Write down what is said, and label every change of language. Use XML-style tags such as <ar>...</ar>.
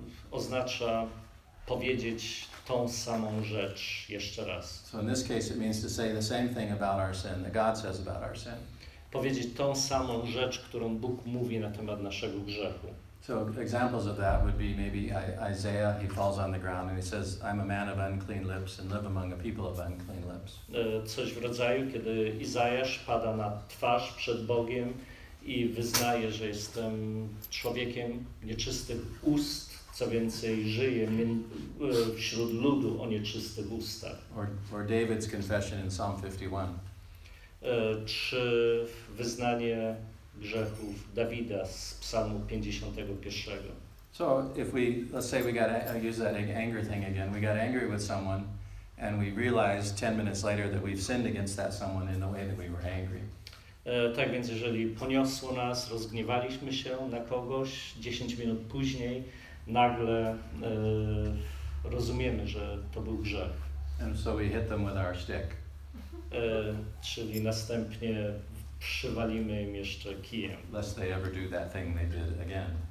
<pl>Oznacza powiedzieć tą samą rzecz jeszcze raz.</pl> <en>So in this case it means to say the same thing about our sin that God says about our sin.</en> <pl>Powiedzieć tą samą rzecz, którą Bóg mówi na temat naszego grzechu.</pl> <en>So examples of that would be maybe Isaiah, he falls on the ground and he says, I'm a man of unclean lips and live among a people of unclean lips.</en> <pl>Coś w rodzaju, kiedy Izajasz pada na twarz przed Bogiem i wyznaje, że jestem człowiekiem nieczystych ust, co więcej, żyję wśród ludu o nieczystych ustach.</pl> <en>Or David's confession in Psalm 51.</en> <pl>Czy wyznanie grzechów Dawida z Psalmu 51.</pl> <en>So if we, let's say we got, I'll use that anger thing again, we got angry with someone and we realized 10 minutes later that we've sinned against that someone in the way that we were angry.</en> <pl>Tak więc jeżeli poniosło nas, rozgniewaliśmy się na kogoś, 10 minut później nagle rozumiemy, że to był grzech.</pl> <en>And so we hit them with our stick.</en> <pl>Czyli następnie przywalimy im jeszcze kijem.</pl> <en>Lest they ever do that thing they did again.</en>